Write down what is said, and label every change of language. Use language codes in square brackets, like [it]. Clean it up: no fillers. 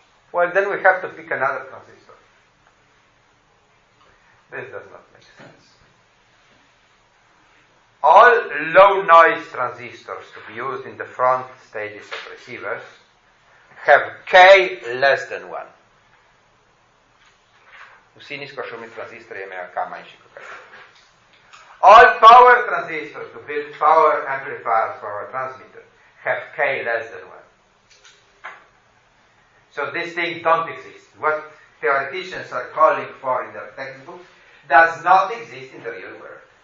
[en] Well, then we have to pick another transistor. This does not make sense. All low noise transistors to be used in the front stages of receivers have K less than one. [sl] Vsi nizkošumni transistori imajo K manjši kot K. [en] All power transistors to build power amplifiers for our transmitter have K less than one. So these things don't exist. What theoreticians are calling for in their textbooks does not exist in the real world.